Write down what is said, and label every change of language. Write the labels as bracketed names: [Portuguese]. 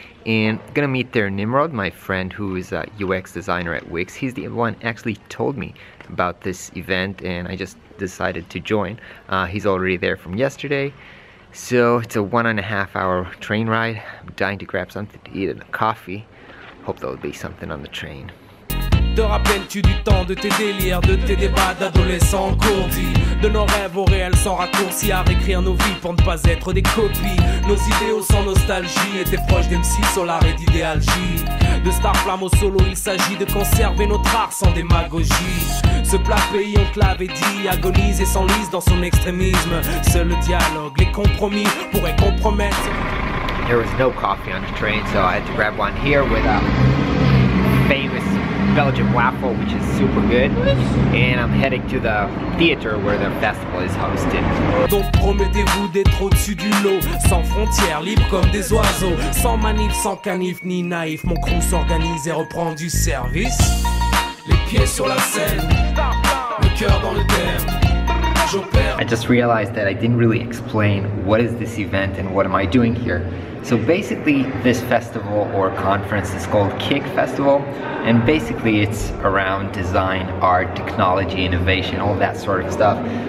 [English] And I'm gonna meet there Nimrod, my friend who is a UX designer at Wix. He's the one actually told me about this event and I just decided to join. He's already there from yesterday. So it's a 1.5 hour train ride. I'm dying to grab something to eat and a coffee. Hope there'll be something on the train. [French] Te rappelles-tu du temps de tes délires, de tes débats d'adolescents courtis, de nos rêves au réel sans raccourci, à réécrire nos vies pour ne pas être des copies, nos idéaux sans nostalgie, et tes proches d'MC Solar et d'idéalgie. De Starflame au solo, il s'agit de conserver notre art sans démagogie. Ce plat pays, on te l'avait dit, agonise et s'enlise dans son extrémisme. Seul le dialogue, les compromis pourraient compromettre. [English] There was no coffee on the train, so I had to grab one here with a famous Belgian waffle, which is super good, and I'm heading to the theater where the festival is hosted. [French] Donc promettez-vous d'être au-dessus du lot, sans frontières, libre comme des oiseaux, sans manif, sans canif, ni naïf, mon crew s'organise et reprend du service. Les pieds sur la scène, le cœur dans le thème. [English] I just realized that I didn't really explain what is this event and what am I doing here. So basically this festival or conference is called KiKK Festival, and basically it's around design, art, technology, innovation, all that sort of stuff.